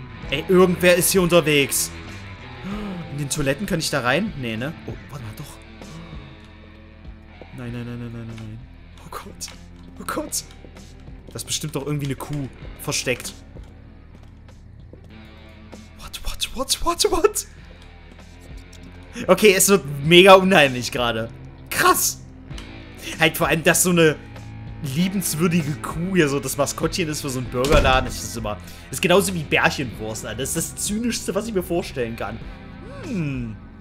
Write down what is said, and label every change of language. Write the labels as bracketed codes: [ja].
[de] Ey, irgendwer ist hier unterwegs. In den Toiletten kann ich da rein? Nee, ne? Oh, warte mal, doch. Nein, nein, nein, nein, nein, nein, nein. Oh Gott. Oh Gott. Das ist bestimmt doch irgendwie eine Kuh versteckt. [en] What, what, what, what, what? [de] Okay, es wird mega unheimlich gerade. Krass. Halt vor allem, dass so eine liebenswürdige Kuh hier so das Maskottchen ist für so einen Burgerladen. Das ist immer... Das ist genauso wie Bärchenwurst, Alter. Das ist das Zynischste, was ich mir vorstellen kann. Hm.